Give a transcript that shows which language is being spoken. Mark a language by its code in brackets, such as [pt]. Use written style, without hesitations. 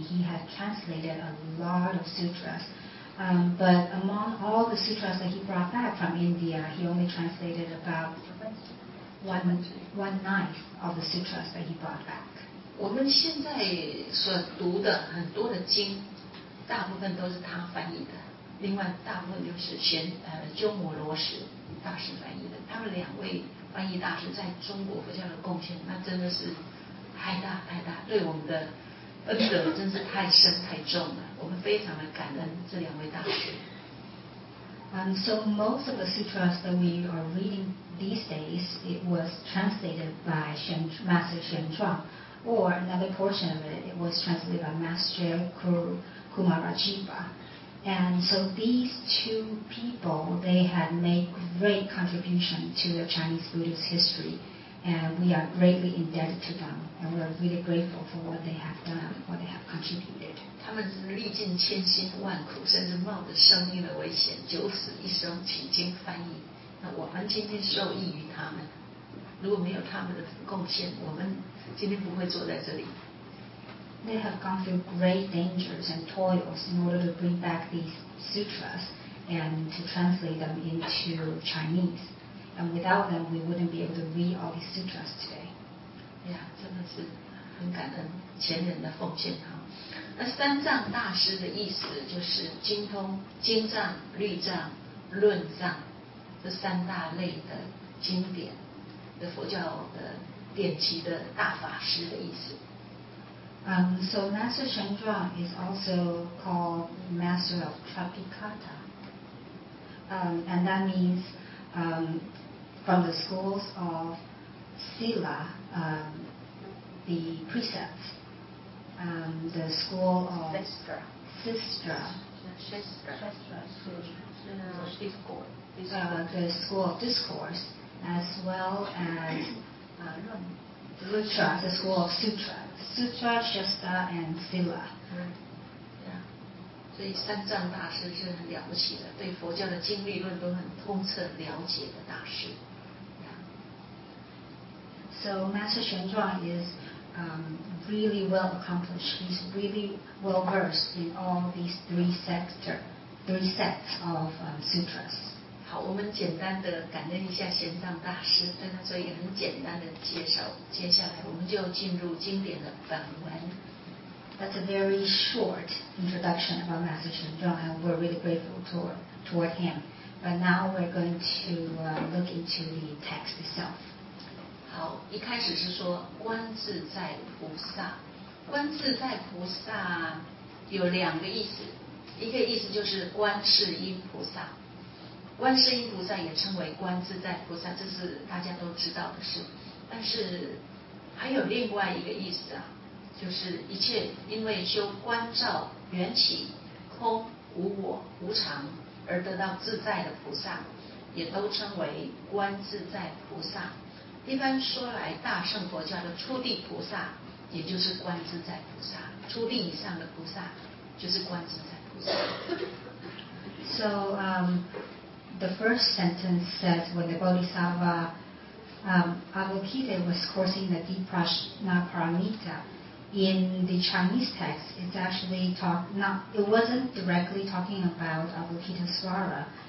[en] He had translated a lot of sutras, but among all the sutras that he brought back from India, he only translated about one ninth of the sutras that he brought back. [zh] 我们现在所读的很多的经，大部分都是他翻译的，另外大部分就是鸠摩罗什大师翻译的，他们两位翻译大师在中国佛教的贡献，那真的是太大太大，对我们的恩德真是太深太重了。我们非常的感恩这两位大师。 [en] So most of the sutras that we are reading these days, it was translated by Master Shen Zhuang, or another portion of it was translated by Master Kumarajiba. And so these two people, they had made great contribution to the Chinese Buddhist history, and we are greatly indebted to them, and we are really grateful for what they have done, what they have contributed. [zh] 他们是历尽千辛万苦，甚至冒着生命的危险，九死一生取经翻译。那我们今天受益于他们，如果没有他们的贡献，我们今天不会坐在这里。 [en] They have gone through great dangers and toils in order to bring back these sutras and to translate them into Chinese. And without them, we wouldn't be able to read all these sutras today. [zh] Yeah, 真的是很感恩前人的奉献哈。那三藏大师的意思就是精通经藏、律藏、论藏这三大类的经典的佛教的典籍的大法师的意思。 [en] So Master Shen Zhuang is also called Master of Tripitaka, and that means from the schools of Sila, the precepts, the school of the school of discourse, as well as Sutra, the school of Sutra. Sutra, Shastra, and Sila. Yeah. [zh] 所以三藏大师是很了不起的，对佛教的经律论都很通彻了解的大师。 [en] So Master Shen Zhuang is really well accomplished. He's really well versed in all these three sets of sutras. [zh] 好，我们简单的感恩一下玄奘大师，对他做一个很简单的介绍。接下来我们就进入经典的本文。 [en] That's a very short introduction about Master Shen Zhuang, and we're really grateful toward him. But now we're going to look into the text itself. [zh] 好，一开始是说观自在菩萨。观自在菩萨有两个意思，一个意思就是观世音菩萨。观世音菩萨也称为观自在菩萨，这是大家都知道的事。但是还有另外一个意思啊，就是一切因为修观照缘起，空、无我、无常而得到自在的菩萨，也都称为观自在菩萨。一般说来，大乘佛教的初地菩萨也就是观自在菩萨，初地以上的菩萨就是观自在菩萨。 [en] So, the first sentence says when the Bodhisattva Avalokiteshvara was coursing the deep Prajnaparamita. In the Chinese text, it's actually it wasn't directly talking about Avalokiteshvara.